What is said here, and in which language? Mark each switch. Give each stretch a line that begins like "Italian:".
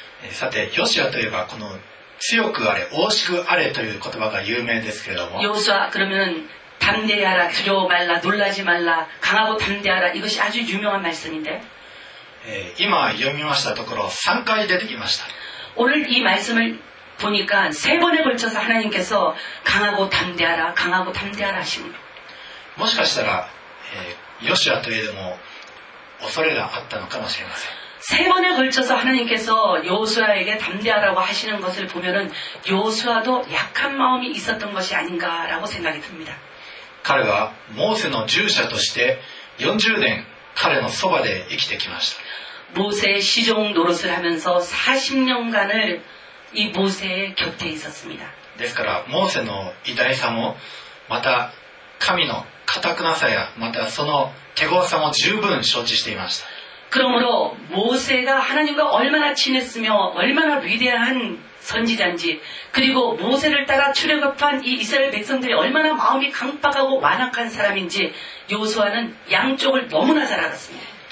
Japanese: さて요시아といえばこの強くあれ大きくあれという言葉が有名ですけれども
Korean: 요수아그러면담대하라두려워말라놀라지말라강하고담대하라이것이아주유명한말씀인데
Japanese: 今読みましたところ3回出てきました
Korean: 오늘이말씀을보니까세번에걸쳐서하나님께서강하고담대하라강하고담대하라하십니다
Japanese: もしかしたら요시아といえども恐れがあったのかもしれません
Korean: 세번에걸쳐서하나님께서요수아에게담대하라고하시는것을보면은요수아도약한마음이있었던것이아닌가라고생각이듭니다
Japanese: 彼は모세の従者として40年彼のそばで生きてきました
Korean: 모세의시종노릇을하면서40년간을이모세의곁에있었습니다
Japanese: ですから모세의偉大さもまた神の固くなさやまたその手強さも十分承知していました
Korean: 그러므로모세가하나님과얼마나친했으며얼마나위대한선지자인지그리고모세를따라출애굽한이이스라엘백성들이얼마나마음이강박하고완악한사람인지요수아는양쪽을너무나잘알았습니다